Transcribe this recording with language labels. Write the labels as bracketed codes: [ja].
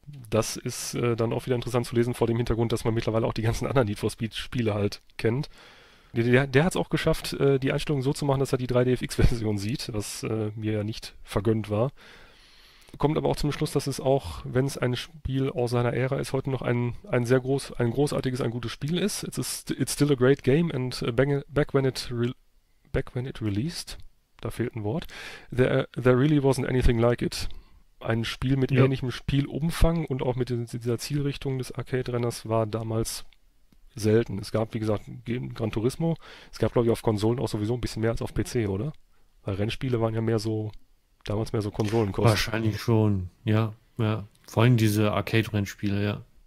[de] Das ist dann auch wieder interessant zu lesen vor dem Hintergrund, dass man mittlerweile auch die ganzen anderen Need for Speed-Spiele halt kennt. Der hat es auch geschafft, die Einstellung so zu machen, dass er die 3DFX-Version sieht, was mir ja nicht vergönnt war. Kommt aber auch zum Schluss, dass es auch, wenn es ein Spiel aus seiner Ära ist, heute noch ein großartiges, ein gutes Spiel ist. [en] It's still a great game and back when it released, [de] da fehlt ein Wort, [en] there really wasn't anything like it. [de] Ein Spiel mit Ja. ähnlichem Spielumfang und auch mit dieser Zielrichtung des Arcade-Renners war damals selten. Es gab, wie gesagt, Gran Turismo. Es gab, glaube ich, auf Konsolen auch sowieso ein bisschen mehr als auf PC, oder? Weil Rennspiele waren ja mehr so, damals mehr so Konsolenkost. Wahrscheinlich schon, ja. Vor allem diese Arcade-Rennspiele, ja.